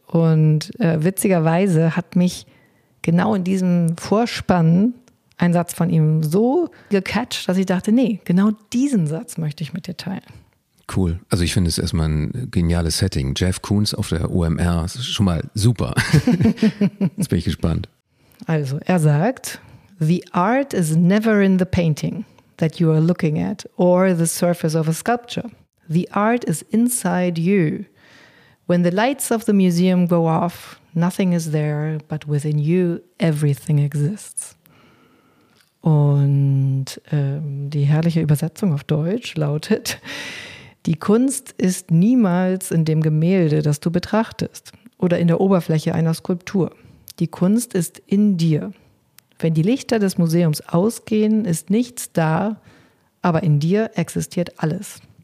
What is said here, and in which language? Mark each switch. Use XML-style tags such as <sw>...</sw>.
<de>Und witzigerweise hat mich genau in diesem Vorspann ein Satz von ihm so gecatcht, dass ich dachte, nee, genau diesen Satz möchte ich mit dir teilen. Cool. Also ich finde es erstmal ein geniales Setting. Jeff Koons auf der OMR, das ist schon mal super. Jetzt bin ich gespannt. Also, er sagt,</de> <en>the art is never in the painting that you are looking at or the surface of a sculpture. The art is inside you. When the lights of the museum go off, nothing is there, but within you everything exists.</en> <de>Und die herrliche Übersetzung auf Deutsch lautet: Die Kunst ist niemals in dem Gemälde, das du betrachtest, oder in der Oberfläche einer Skulptur. Die Kunst ist in dir. Wenn die Lichter des Museums ausgehen, ist nichts da, aber in dir existiert alles.</de>